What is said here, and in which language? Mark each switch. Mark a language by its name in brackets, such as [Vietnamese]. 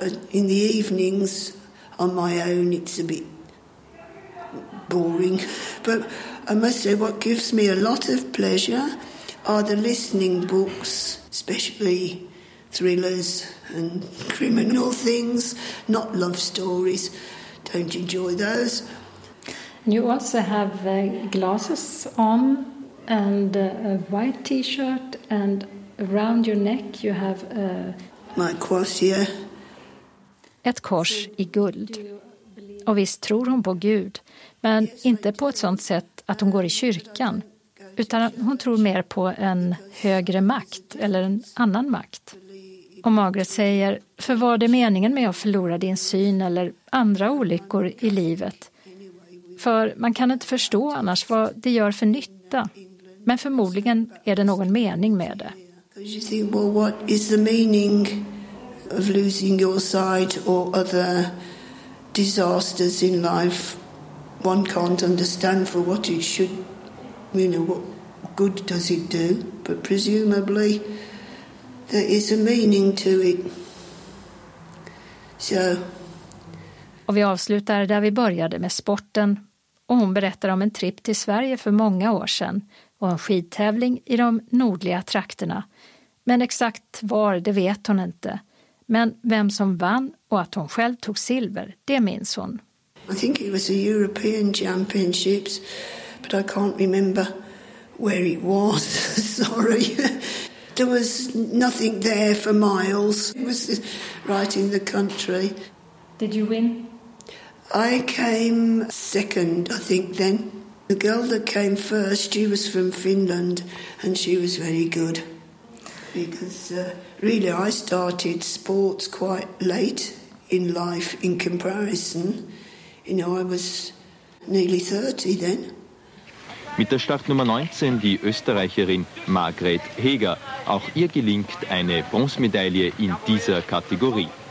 [English] In the evenings on my own it's a bit boring, but I must say what gives me a lot of pleasure are the listening books, especially thrillers and criminal things, not love stories. Don't enjoy those. You also have glasses on and a white t-shirt, and around your neck you have my cross here. [Swedish] Ett kors i guld. Och visst tror hon på Gud, men inte på ett sånt sätt att hon går i kyrkan, utan hon tror mer på en högre makt eller en annan makt. Och Margaret säger, för vad är det meningen med att förlora din syn eller andra olyckor i livet? För man kan inte förstå annars vad det gör för nytta, men förmodligen är det någon mening med det. [English] What is the meaning of losing your sight or other disasters in life? One can't understand for what it should, you know, what good does it do, but presumably there is a meaning to it. So. [Swedish] Och vi avslutar där vi började med sporten, och hon berättar om en trip till Sverige för många år sedan och en skidtävling i de nordliga trakterna, men exakt var det vet hon inte. Men vem som vann och att hon själv tog silver, det minns hon. [English] I think it was the European Championships, but I can't remember where it was. Sorry. There was nothing there for miles. It was right in the country. Did you win? I came second, I think, then. The girl that came first, she was from Finland, and she was very good. Because really I started sports quite late in life in comparison. You know, I was nearly 30 then. [German] Mit der Startnummer 19 die Österreicherin Margret Heger. Auch ihr gelingt eine Bronzemedaille in dieser Kategorie.